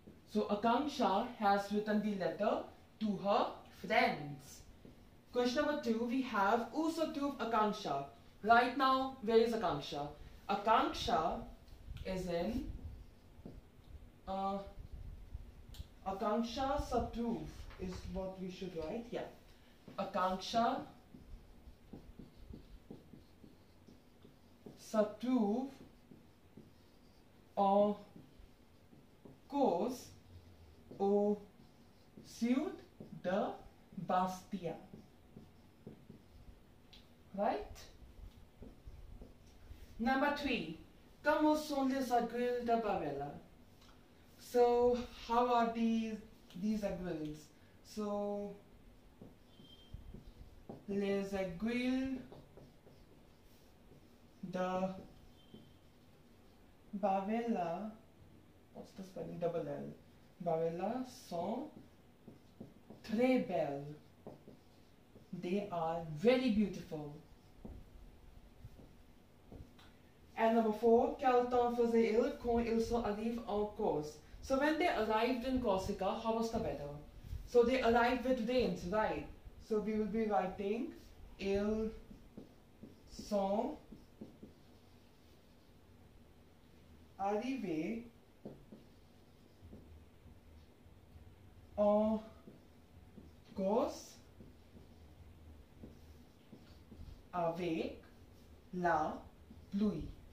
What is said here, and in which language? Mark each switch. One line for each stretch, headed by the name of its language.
English: So Akanksha has written the letter to her friends. Question number 2, we have
French: où se trouve Akanksha?
English: Right now, where is Akanksha? Akanksha is in
French: Akanksha se trouve
English: is what we should write. Yeah.
French: Akanksha se trouve en cause au sud de Bastia.
English: Right? Number 3.
French: Comment sont les aiguilles de Barilla?
English: So, how are these aiguilles? So,
French: les aiguilles de Barilla,
English: what's the spelling? Double L.
French: Barilla sont très belles.
English: They are very beautiful. And number 4,
French: quel temps faisait-il quand ils sont arrivés en Corse?
English: So when they arrived in Corsica, how was the weather? So they arrived with rains, right? So we will be writing,
French: ils sont arrivé en Corse avec la pluie.